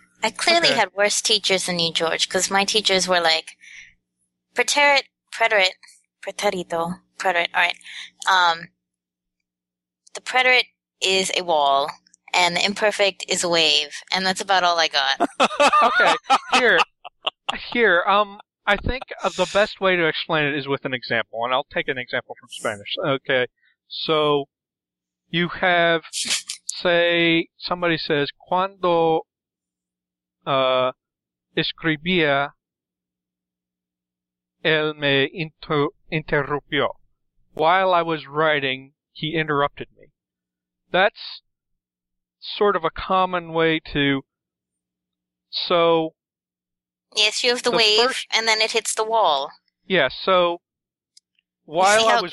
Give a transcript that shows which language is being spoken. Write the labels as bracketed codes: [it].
[en] I clearly had worse teachers than you, George, because my teachers were like, preterite, preterite, preterito, preterite, all right. The preterite is a wall, and the imperfect is a wave, and that's about all I got. Okay, here. I think the best way to explain it is with an example, and I'll take an example from Spanish. Okay, so you have, say, somebody says, [es] cuando escribía, él me interrumpió. [en] While I was writing, he interrupted me. That's sort of a common way to... So... Yes, you have the wave, first, and then it hits the wall. Yeah, so while see how I was